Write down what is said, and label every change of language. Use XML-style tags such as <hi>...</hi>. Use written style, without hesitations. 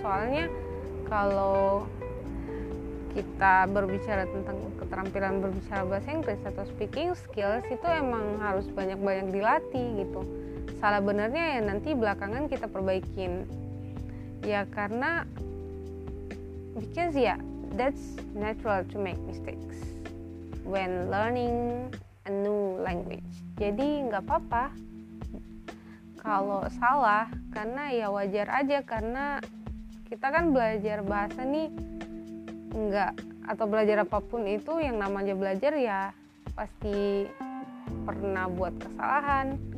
<id>Soalnya kalau kita berbicara tentang keterampilan berbicara bahasa Inggris atau speaking skills, itu emang harus banyak-banyak dilatih gitu. Salah benernya ya nanti belakangan kita perbaikin. Ya karena,</id> <en>because ya, that's natural to make mistakes when learning a new language.</en> <id>Jadi nggak apa-apa kalau salah, karena ya wajar aja, karena kita kan belajar bahasa nih nggak, atau belajar apapun itu yang namanya belajar ya pasti pernah buat kesalahan.</id>